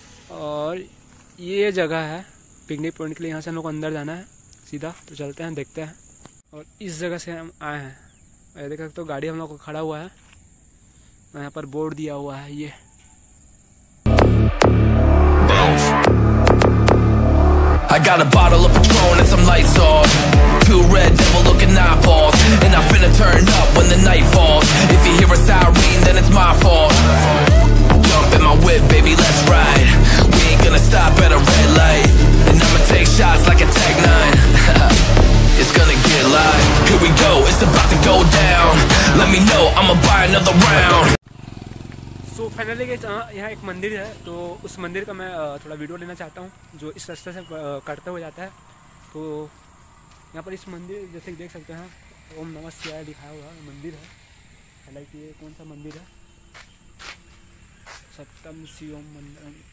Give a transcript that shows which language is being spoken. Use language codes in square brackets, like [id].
[hi] और ये जगह है पिकनिक पॉइंट के लिए. यहाँ से हम लोग अंदर जाना है सीधा. तो चलते हैं देखते हैं. और इस जगह से हम आए हैं, देख सकते हो गाड़ी हम लोग को खड़ा हुआ है. यहाँ पर बोर्ड दिया हुआ है ये. [en] I got a bottle of Patron and some lights off. Two red devil looking eyeballs. And I finna turn up when the night falls. If you hear a siren, then it's my fault. Jump in my whip, baby, let's ride. We ain't gonna stop at a red light. And I'ma take shots like a tech nine. It's gonna get live. Here we go, it's about to go down. Let me know, I'ma buy another round. [hi] तो finally guys यहाँ एक मंदिर है. तो उस मंदिर का मैं थोड़ा वीडियो लेना चाहता हूँ जो इस रास्ते से कटते हुए जाता है. तो यहाँ पर इस मंदिर जैसे देख सकते हैं ओम नमः शिवाय लिखा हुआ मंदिर है. हालांकि ये कौन सा मंदिर है, सप्तम शिवम मंदिर.